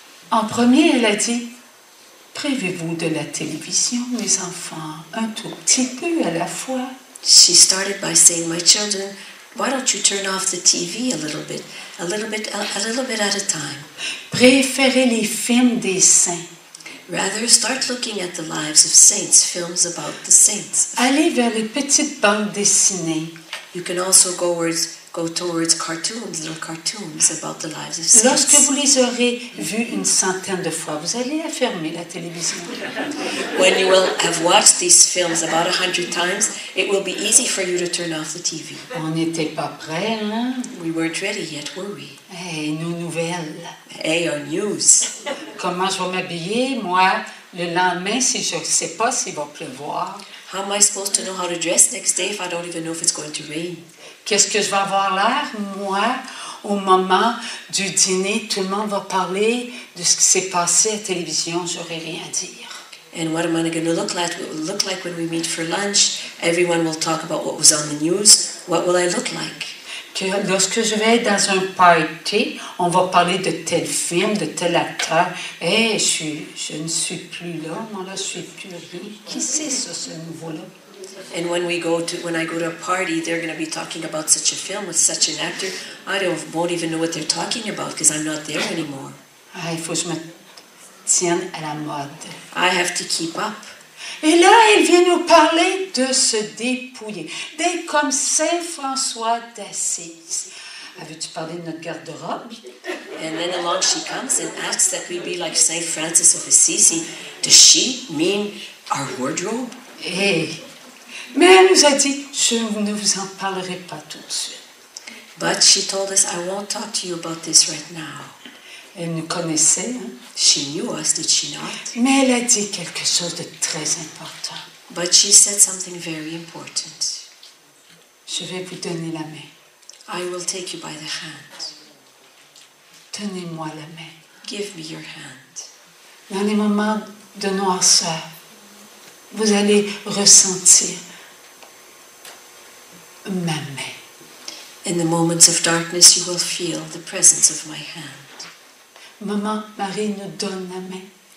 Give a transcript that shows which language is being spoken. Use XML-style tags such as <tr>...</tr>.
<fr>En premier, elle a dit, privez-vous de la télévision, mes enfants, un tout petit peu à la fois.</fr> <en>She started by saying, my children, why don't you turn off the TV a little bit at a time.</en> <fr>Préférez les films des saints.</fr> <en>Rather, start looking at the lives of saints, films about the saints.</en> <fr>Allez vers les petites bandes dessinées.</fr> <en>You can also go towards cartoons, little cartoons about the lives of saints.</en> <fr>Lorsque vous les aurez vus une centaine de fois, vous allez fermer la télévision.</fr> <en>When you will have watched these films about 100 times, it will be easy for you to turn off the TV.</en> <fr>On n'était pas prêts, hein?</fr> <en>We weren't ready yet, were we?</en> <fr>Hey, nos nouvelles.</fr> <en>Hey, our news.</en> <fr>Comment je vais m'habiller, moi, le lendemain, si je ne sais pas s'il va pleuvoir?</fr> <en>How am I supposed to know how to dress next day if I don't even know if it's going to rain?</en> <fr>Qu'est-ce que je vais avoir l'air, moi, au moment du dîner, tout le monde va parler de ce qui s'est passé à la télévision, j'aurai rien à dire.</fr> <en>And what am I going to look like when we meet for lunch? Everyone will talk about what was on the news. What will I look like?</en> <fr>Que lorsque je vais dans un party, on va parler de tel film, de tel acteur. Hey, je ne suis plus là, moi là, je suis plus rien. Qui c'est ça, ce nouveau-là?</fr> <en>And when I go to a party, they're going to be talking about such a film with such an actor. I won't even know what they're talking about because I'm not there anymore.</en> <fr>Ah, il faut que je me tienne à la mode.</fr> <en>I have to keep up.</en> <fr>Et là, il vient nous parler de se dépouiller. D'être comme Saint François d'Assise. Avais-tu parlé de notre garde-robe?</fr> <en>And then along she comes and asks that we be like Saint Francis of Assisi. Does she mean our wardrobe? Hey.</en> <fr>Mais elle nous a dit, je ne vous en parlerai pas tout de suite.</fr> <en>But she told us, I won't talk to you about this right now.</en> <fr>Elle nous connaissait. Hein?</fr> <en>She knew us, did she not?</en> <fr>Mais elle a dit quelque chose de très important.</fr> <en>But she said something very important.</en> <fr>Je vais vous donner la main.</fr> <en>I will take you by the hand.</en> <fr>Tenez-moi la main.</fr> <en>Give me your hand.</en> <fr>Dans les moments de noirceur, vous allez ressentir ma main.</fr> <en>In the moments of darkness, you will feel the presence of my hand.</en> <fr>Maman Marie nous donne la main.</fr>